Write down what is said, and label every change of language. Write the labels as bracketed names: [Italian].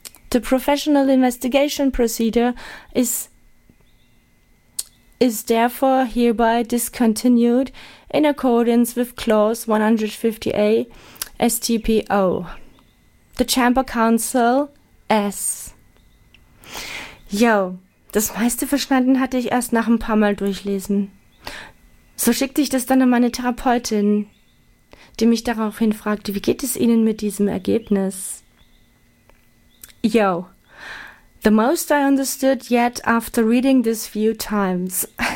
[English] The professional investigation procedure is therefore hereby discontinued in accordance with clause 150A STPO. The Chamber Council S. [German] Yo, das meiste verstanden hatte ich erst nach ein paar Mal durchlesen. So schickte ich das dann an meine Therapeutin, die mich daraufhin fragte, wie geht es Ihnen mit diesem Ergebnis? [English] Yo, the most I understood yet after reading this few times.